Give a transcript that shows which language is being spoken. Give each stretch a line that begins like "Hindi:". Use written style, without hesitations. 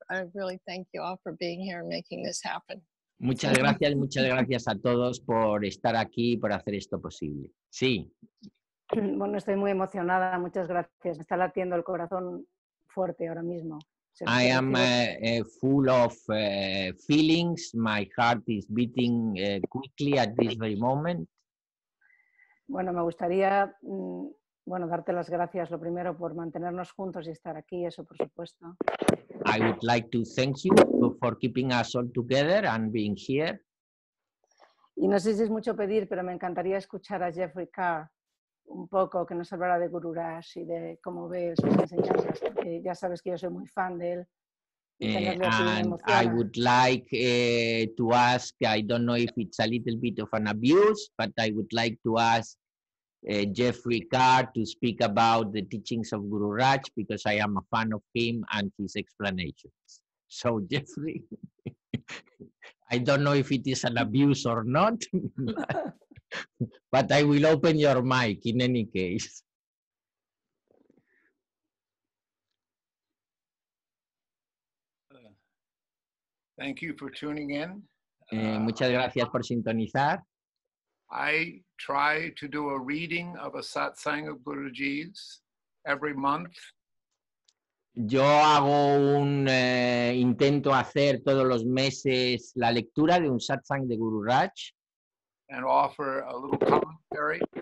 English: I really thank you all for being here and making this happen.
Spanish: Muchas gracias a todos por estar aquí y por hacer esto posible. Sí. Bueno, estoy muy emocionada. Muchas gracias. Me está latiendo el corazón fuerte ahora mismo.
English: I am full of feelings. My heart is beating quickly at this very moment.
Spanish: Bueno, me gustaría, bueno, darte las gracias lo primero por mantenernos juntos y estar aquí, eso por supuesto.
English: I would like to thank you for keeping us all together and being here.
Spanish: Y no sé si es mucho pedir, pero me encantaría escuchar a Jeffrey Carr un poco, que nos hablara de Guru Raj y de cómo ve sus enseñanzas, porque ya sabes que yo soy muy fan de él.
English: And I would like to ask, I don't know if it's a little bit of an abuse, but I would like to ask Jeffrey Carr to speak about the teachings of Guru Raj, because I am a fan of him and his explanations. So Jeffrey, I don't know if it is an abuse or not, but I will open your mic in any case. Thank you for tuning in.
Spanish: Muchas gracias por sintonizar.
English: I try to do a reading of a satsang of Guruji's every month.
Spanish: Yo hago un intento hacer todos los meses la lectura de un satsang de Guru Raj.
English: And offer a little commentary.